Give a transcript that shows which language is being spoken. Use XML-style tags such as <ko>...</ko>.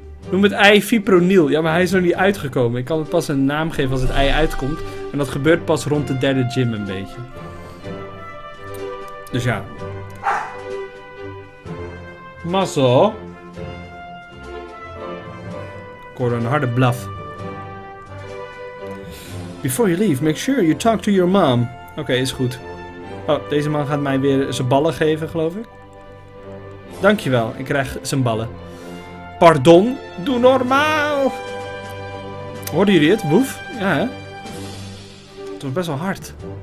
<nl>Noem het ei fipronil. Ja, maar hij is nog niet uitgekomen. Ik kan het pas een naam geven als het ei uitkomt. En dat gebeurt pas rond de derde gym een beetje. Dus ja. Mazzel. Ik hoorde een harde blaf.</nl> <en>Before you leave, make sure you talk to your mom.</en> <nl>Oké, is goed. Oh, deze man gaat mij weer zijn ballen geven, geloof ik. Dankjewel, ik krijg zijn ballen. Pardon, doe normaal! Hoorden jullie het, boef? Ja, hè? Het was best wel hard.</nl>